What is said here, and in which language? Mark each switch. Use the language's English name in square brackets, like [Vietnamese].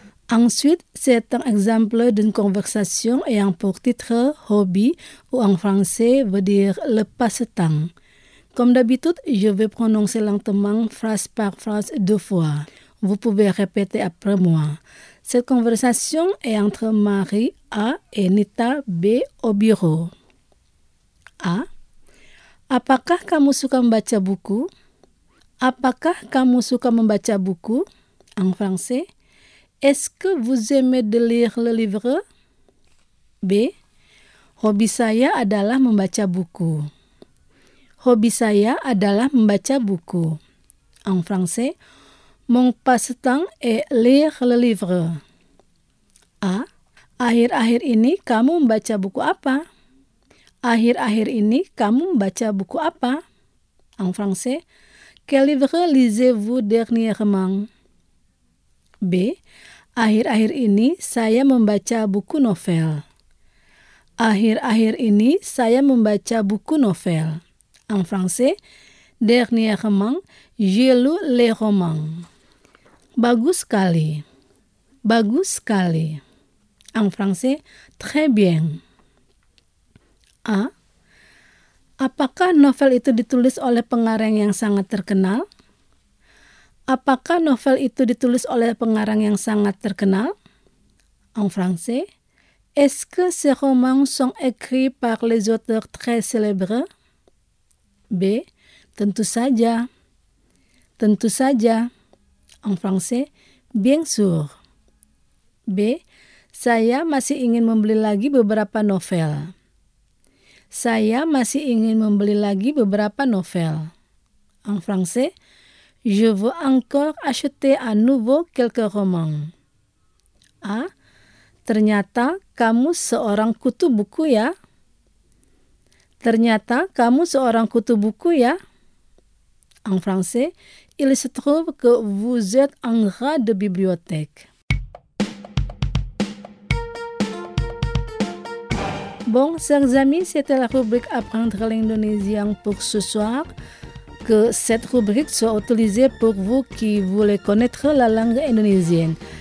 [French] Ensuite, c'est un exemple d'une conversation ayant pour titre « hobby » ou en français veut dire « le passe-temps ». Comme d'habitude, je vais prononcer lentement phrase par phrase deux fois. Vous pouvez répéter après moi. Cette conversation est entre Marie A et Nita B au bureau. A. [Indonesian] Apakah kamu suka membaca buku? Apakah kamu suka membaca buku? [French] En français. Est-ce que vous aimez de lire le livre? B. [Indonesian] Hobi saya adalah membaca buku. Hobi saya adalah membaca buku. [French] En français, mon passe-temps est lire le livre. A. [Indonesian] Akhir-akhir ini kamu membaca buku apa? Akhir-akhir ini kamu membaca buku apa? [French] En français, quel livre lisez-vous dernièrement? B. [Indonesian] Akhir-akhir ini saya membaca buku novel. Akhir-akhir ini saya membaca buku novel. [French] En français, dernièrement, j'ai lu les romans. [Indonesian] Bagus sekali. Bagus sekali. [French] En français, très bien. A. [Indonesian] Apakah novel itu ditulis oleh pengarang yang sangat terkenal? Apakah novel itu ditulis oleh pengarang yang sangat terkenal? [French] En français, est-ce que ces romans sont écrits par les auteurs très célèbres? [Indonesian] B. Tentu saja. Tentu saja. [French] En français, bien sûr. B. [Indonesian] Saya masih ingin membeli lagi beberapa novel. Saya masih ingin membeli lagi beberapa novel. [French] En français, je veux encore acheter à nouveau quelques romans. A. [Indonesian] Ternyata kamu seorang kutu buku ya. Ternyata kamu seorang kutu buku ya. [French] en français, il se trouve que vous êtes en grade de bibliothèque. Bon, chers amis, c'était la rubrique Apprendre l'indonésien pour ce soir. Que cette rubrique soit utilisée pour vous qui voulez connaître la langue indonésienne.